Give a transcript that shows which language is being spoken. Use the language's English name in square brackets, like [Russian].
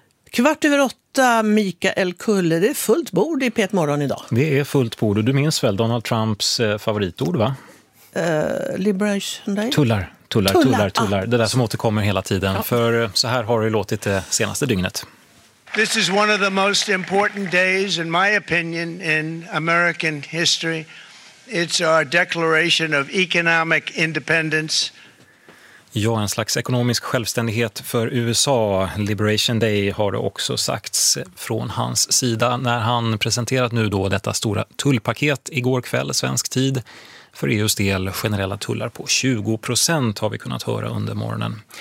[Swedish] Kvart över 8, Mikael Kulle. Det är fullt bord i Petmorgon idag. Det är fullt bord. Och du minns väl Donald Trumps favoritord, va? Liberation Day? Tullar. Ah. Det där som återkommer hela tiden. Ja. För så här har det låtit det senaste dygnet. [English] This is one of the most important days, in my opinion, in American history. It's our declaration of economic independence. [Swedish] Ja, en slags ekonomisk självständighet för USA. Liberation Day har det också sagts från hans sida när han presenterat nu då detta stora tullpaket igår kväll svensk tid. För EUs del generella tullar på 20% har vi kunnat höra under morgonen.